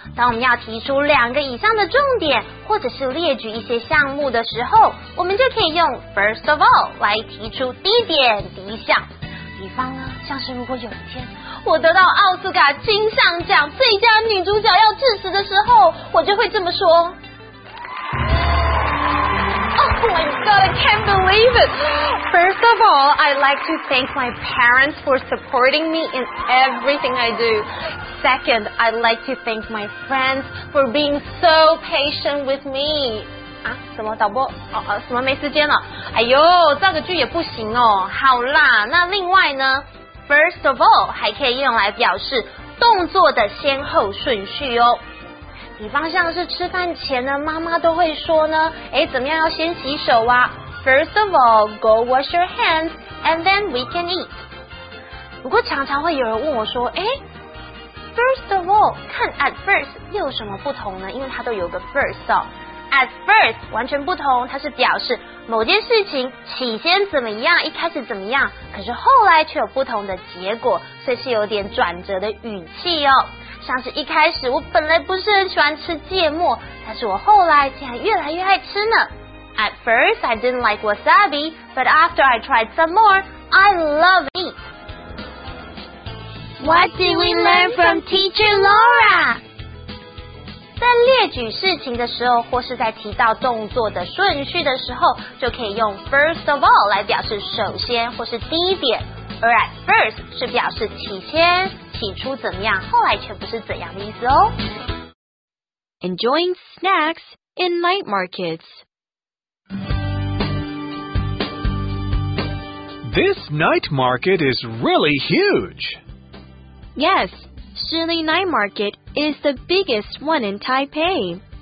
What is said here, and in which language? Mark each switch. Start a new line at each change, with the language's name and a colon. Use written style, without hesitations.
Chinese: 当我们要提出两个以上的重点，或者是列举一些项目的时候，我们就可以用 first of all 来提出第一点、第一项。比方呢，像是如果有一天我得到奥斯卡金像奖最佳女主角要致辞的时候，我就会这么说。
English: Oh my god, I can't believe it! First of all, I'd like to thank my parents for supporting me in everything I do. Second, I'd like to thank my friends for being so patient with me.
Chinese: 啊，什么导播？哦，什么没时间了？哎呦，造个句也不行哦。好啦，那另外呢 ？First of all 还可以用来表示动作的先后顺序哦。比方像是吃饭前呢，妈妈都会说呢，哎，怎么样要先洗手啊 ？
English: First of all, go wash your hands, and then we can eat.
Chinese: 不过常常会有人问我说，哎 ，First of all 看 at first 又有什么不同呢？因为它都有个 first 哦。 At first 完全不同，它是表示某件事情起先怎么样，一开始怎么样，可是后来却有不同的结果，所以是有点转折的语气哦。像是一开始我本来不是很喜欢吃芥末，但是我后来竟然越来越爱吃呢。
English: At first I didn't like wasabi, but after I tried some more, I love it. What did we learn from teacher Laura?
Chinese: 在列举事情的时候，或是在提到动作的顺序的时候，就可以用 first of all 来表示首先或是第一点，而 at first 是表示起先、起初怎么样，后来却不是怎样的意思哦。
English: Enjoying snacks in night markets. This night market is really huge. Yes. Shili Night Market is the biggest one in Taipei.